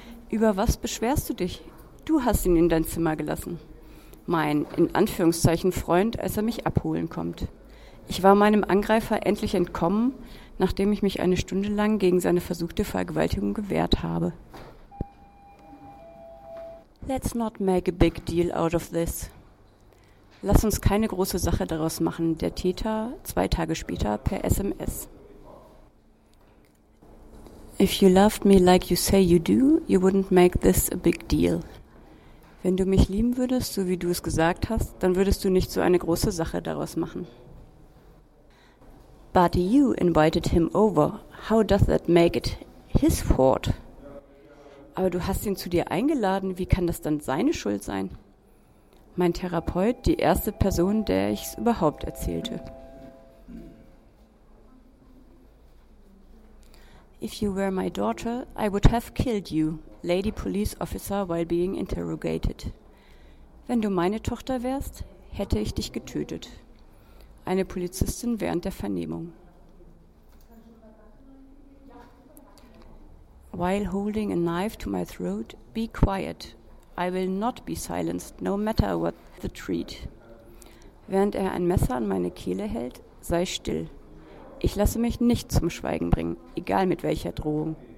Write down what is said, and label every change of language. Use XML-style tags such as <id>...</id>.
<de>Über was beschwerst du dich? Du hast ihn in dein Zimmer gelassen. Mein, in Anführungszeichen, Freund, als er mich abholen kommt. Ich war meinem Angreifer endlich entkommen, nachdem ich mich eine Stunde lang gegen seine versuchte Vergewaltigung gewehrt habe.</de> <en>Let's not make a big deal out of this.</en> <de>Lass uns keine große Sache daraus machen, der Täter 2 Tage später per SMS.</de> <en>If you loved me like you say you do, you wouldn't make this a big deal.</en> <de>Wenn du mich lieben würdest, so wie du es gesagt hast, dann würdest du nicht so eine große Sache daraus machen.</de> <en>But you invited him over. How does that make it his fault?</en> <de>Aber du hast ihn zu dir eingeladen. Wie kann das dann seine Schuld sein? Mein Therapeut, die erste Person, der ich es überhaupt erzählte.</de> <en>If you were my daughter, I would have killed you, lady police officer while being interrogated.</en> <de>Wenn du meine Tochter wärst, hätte ich dich getötet. Eine Polizistin während der Vernehmung.</de> <en>While holding a knife to my throat, be quiet. I will not be silenced, no matter what the treat.</en> <de>Während er ein Messer an meine Kehle hält, sei still. Ich lasse mich nicht zum Schweigen bringen, egal mit welcher Drohung.</de>